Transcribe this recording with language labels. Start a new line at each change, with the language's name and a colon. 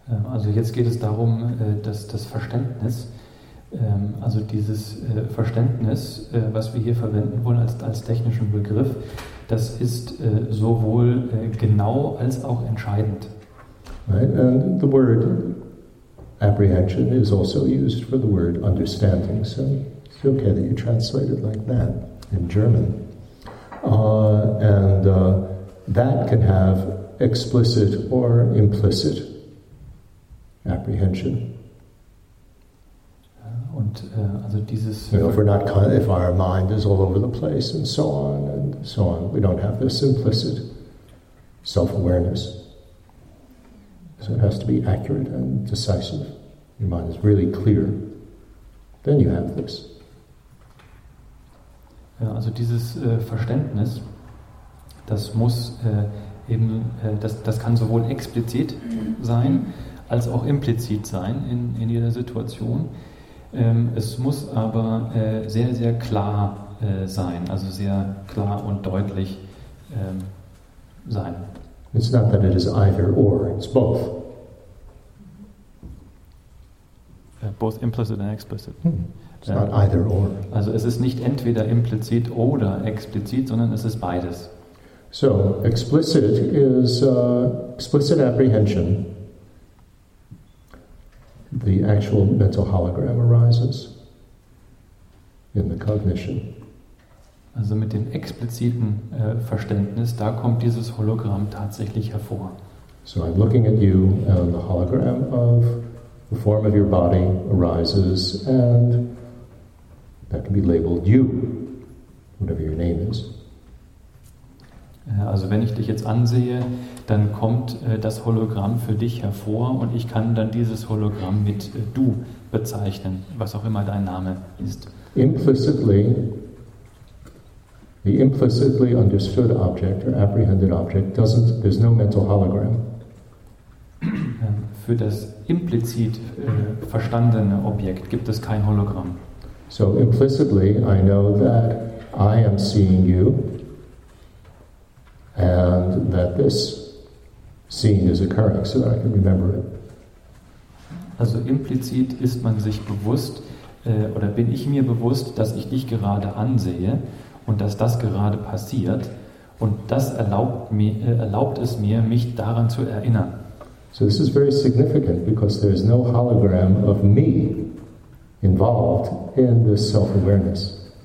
German: Also jetzt geht es darum, dass das Verständnis, also dieses Verständnis, was wir hier verwenden wollen als technischen Begriff, das ist sowohl genau als auch entscheidend.
English: Right, and the word apprehension is also used for the word understanding, so it's okay that you translate it like that in German. And that can have explicit or implicit apprehension.
German: Und also dieses,
English: you know, if our mind is all over the place and so on, we don't have this implicit self-awareness. So it has to be accurate and decisive. Your mind is really clear. Then you have this.
German: Ja, also dieses Verständnis, das muss eben, das kann sowohl explizit sein, als auch implizit sein in jeder Situation. Es muss aber sehr, sehr klar sein, also sehr klar und deutlich sein.
English: It's not that it is either or, it's both. Both implicit and explicit. It's not either or.
German: Also es ist nicht entweder implizit oder explizit, sondern es ist beides.
English: So, explicit is explicit apprehension. The actual mental hologram arises in the cognition.
German: Also mit dem expliziten Verständnis, da kommt dieses Hologramm tatsächlich hervor.
English: So I'm looking at you and the hologram of the form of your body arises and that can be labeled you, whatever your name is.
German: Also wenn ich dich jetzt ansehe, dann kommt das Hologramm für dich hervor und ich kann dann dieses Hologramm mit du bezeichnen, was auch immer dein Name ist.
English: Implicitly, the implicitly understood object or apprehended object doesn't, there's no mental hologram.
German: Für das implizit verstandene Objekt gibt es kein Hologramm.
English: So implicitly I know that I am seeing you. And that this scene is occurring, so that I can remember it.
German: Also implizit ist man sich bewusst, oder bin ich mir bewusst, dass ich dich gerade ansehe und dass das gerade passiert. Und das erlaubt es mir, mich daran zu erinnern.
English: So this is very significant because there is no hologram of me involved in this self-awareness.